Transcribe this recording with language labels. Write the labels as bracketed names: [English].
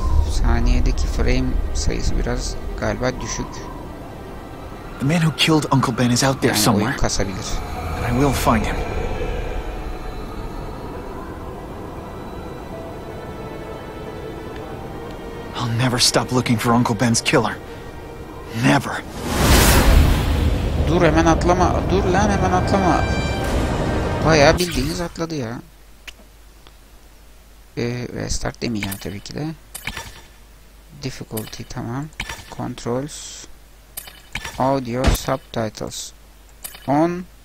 [Turkish] Saniyedeki frame sayısı biraz galiba düşük. [English] The man who killed Uncle Ben is out there somewhere. [Turkish] Yani oyun kasabilir. [English] I will find him. I'll never stop looking for Uncle Ben's killer. Never. [Turkish] Dur hemen atlama. Dur lan hemen atlama. Bayağı bildiğiniz atladı ya. Restart demeyeceğim tabii ki de. [English] Difficulty tamam. Controls. Audio subtitles. On.